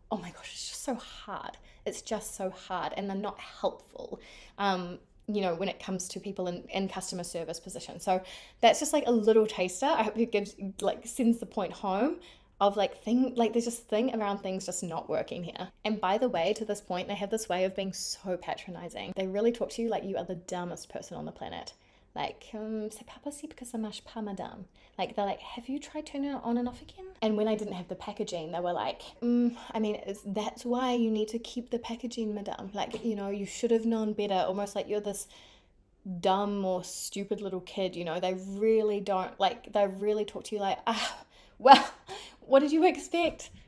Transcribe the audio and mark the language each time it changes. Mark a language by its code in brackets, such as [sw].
[en] Oh my gosh, it's just so hard. It's just so hard, and they're not helpful, you know, when it comes to people in customer service positions. So that's just like a little taster. I hope it gives, like, sends the point home of like thing, like there's just thing around things just not working here. And by the way, to this point, they have this way of being so patronizing. They really talk to you like you are the dumbest person on the planet. [fr] Like, c'est pas possible que ça marche pas, madame. [en] Like, they're like, have you tried turning it on and off again? And when I didn't have the packaging, they were like, I mean, that's why you need to keep the packaging, madame. Like, you know, you should have known better. Almost like you're this dumb or stupid little kid, you know. They really don't, like, they really talk to you like, ah, well, what did you expect?